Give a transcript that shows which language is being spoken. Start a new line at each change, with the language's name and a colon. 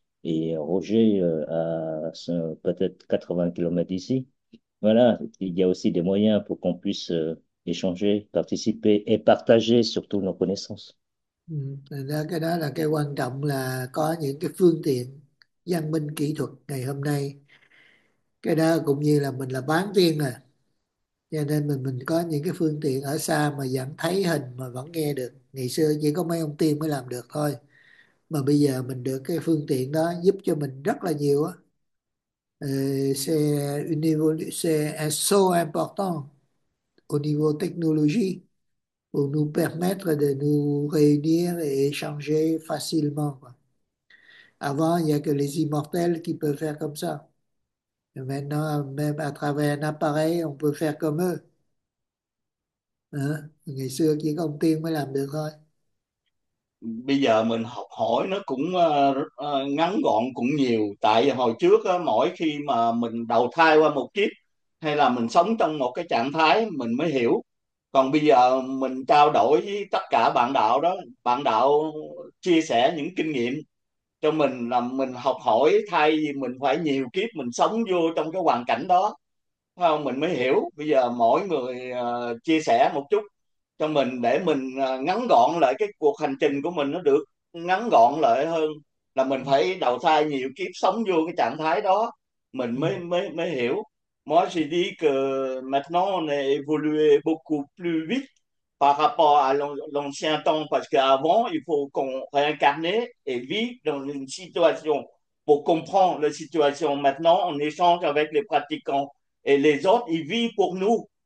French: Et Roger, à peut-être 80 km d'ici. Voilà, il y a aussi des moyens pour qu'on puisse échanger, participer et partager surtout nos connaissances.
Vietnamese: Cái đó là cái quan trọng, là có những cái phương tiện văn minh kỹ thuật ngày hôm nay. Cái đó cũng như là mình là bán tiên à, cho nên mình có những cái phương tiện ở xa mà vẫn thấy hình mà vẫn nghe được. Ngày xưa chỉ có mấy ông tiên mới làm được thôi, mà bây giờ mình được cái phương tiện đó giúp cho mình rất là nhiều á.
French: C'est so important au niveau technologie pour nous permettre de nous réunir et échanger facilement. Avant, il n'y a que les immortels qui peuvent faire comme ça. Et maintenant, même à travers un appareil, on peut faire comme eux. Hein?
Vietnamese: Ngày xưa, chỉ có ông tiên mới làm được thôi. Bây giờ mình học hỏi nó cũng ngắn gọn cũng nhiều, tại hồi trước mỗi khi mà mình đầu thai qua một kiếp hay là mình sống trong một cái trạng thái mình mới hiểu. Còn bây giờ mình trao đổi với tất cả bạn đạo đó, bạn đạo chia sẻ những kinh nghiệm cho mình là mình học hỏi, thay vì mình phải nhiều kiếp mình sống vô trong cái hoàn cảnh đó không, mình mới hiểu. Bây giờ mỗi người chia sẻ một chút cho mình để mình ngắn gọn lại cái cuộc hành trình của mình, nó được ngắn gọn lại hơn, là mình phải đầu thai nhiều kiếp sống vô cái trạng thái đó mình mới mới mới hiểu.
French: Moi je dis que maintenant on a évolué beaucoup plus vite par rapport à l'ancien temps, parce qu'avant, il faut qu'on réincarne et vivre dans une situation pour comprendre la situation. Maintenant, on échange avec les pratiquants et les autres, ils vivent pour nous.